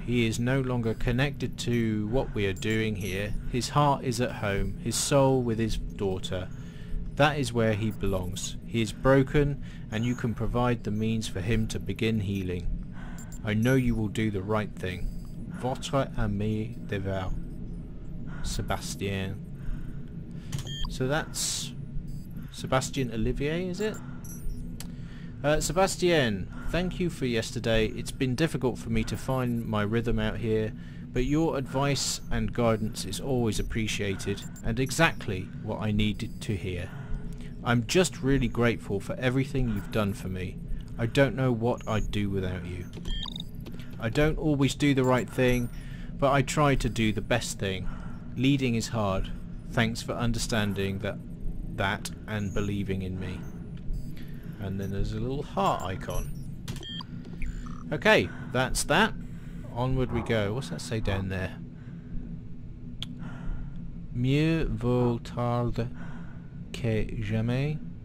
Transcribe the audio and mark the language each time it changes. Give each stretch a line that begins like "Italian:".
English: He is no longer connected to what we are doing here. His heart is at home, his soul with his daughter. That is where he belongs. He is broken, and you can provide the means for him to begin healing. I know you will do the right thing.
French: Votre ami de vous, Sebastien.
English: So that's Sebastien Olivier, is it? Sebastien, thank you for yesterday. It's been difficult for me to find my rhythm out here, but your advice and guidance is always appreciated, and exactly what I needed to hear. I'm just really grateful for everything you've done for me. I don't know what I'd do without you. I don't always do the right thing, but I try to do the best thing. Leading is hard. Thanks for understanding that and believing in me. And then there's a little heart icon. Okay, that's that. Onward we go. What's that say down there?
French: Mieux vaut tard que jamais.